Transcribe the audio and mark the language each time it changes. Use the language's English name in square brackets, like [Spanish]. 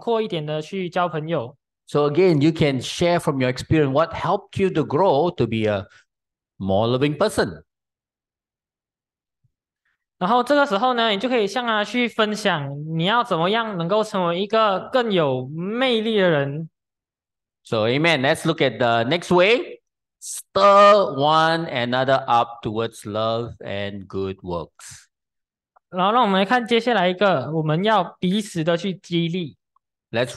[Chinese] 然后比如说今天有一个弟兄，他想要学习如何的去与其他人之间有更好的关系，他想广阔一点的去交朋友。 [English] So again, you can share from your experience what helped you to grow to be a more loving person. [Chinese] 然后这个时候呢，你就可以向他去分享你要怎么样能够成为一个更有魅力的人。 [English] So amen, let's look at the next way. Stir one another up towards love and good works. [Chinese] 然后让我们来看接下来一个，我们要彼此的去激励。 [English] Let's